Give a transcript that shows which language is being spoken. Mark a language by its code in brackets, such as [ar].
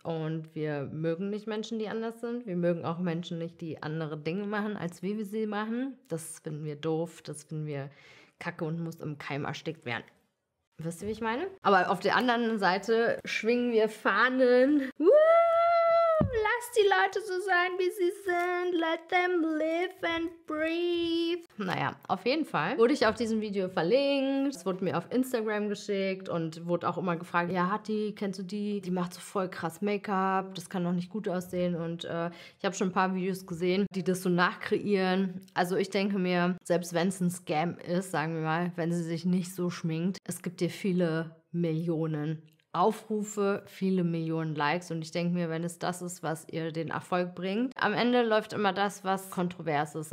[de] Und wir mögen nicht Menschen, die anders sind. Wir mögen auch Menschen nicht, die andere Dinge machen, als wie wir sie machen. Das finden wir doof, das finden wir kacke und muss im Keim erstickt werden. Wisst ihr, wie ich meine? Aber auf der anderen Seite schwingen wir Fahnen. Woo! Lass die Leute so sein, wie sie sind. [en] Let them live and breathe. [de] Naja, auf jeden Fall wurde ich auf diesem Video verlinkt. Es wurde mir auf Instagram geschickt und wurde auch immer gefragt, ja, Hatti, kennst du die? Die macht so voll krass Make-up. Das kann noch nicht gut aussehen. Und ich habe schon ein paar Videos gesehen, die das so nachkreieren. Also ich denke mir, selbst wenn es ein Scam ist, sagen wir mal, wenn sie sich nicht so schminkt, es gibt dir viele Millionen Aufrufe, viele Millionen Likes und ich denke mir, wenn es das ist, was ihr den Erfolg bringt, am Ende läuft immer das, was kontrovers ist.